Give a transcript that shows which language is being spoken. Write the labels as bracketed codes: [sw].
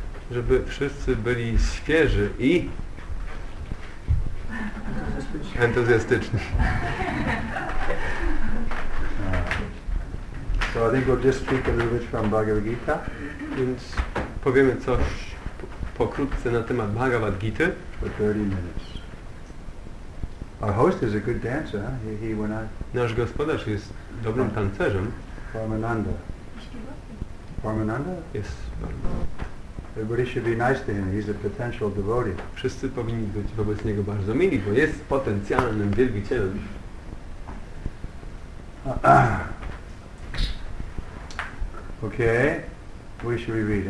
[pl] Żeby wszyscy byli świeży i entuzjastyczni. [en] So I think we'll just speak a little bit from Bhagavad Gita. [pl] Więc powiemy coś pokrótce na temat Bhagavad Gity. [en] For 30 minutes. Our host is a good dancer. He went out. [pl] Nasz gospodarz jest dobrym tancerzem. [en] Paramananda. Paramananda? Yes. Everybody should be nice to him. He's a potential devotee. [pl] Wszyscy powinni być wobec niego bardzo mili, bo jest potencjalnym wielbicielem. [en] Okay, what should we read?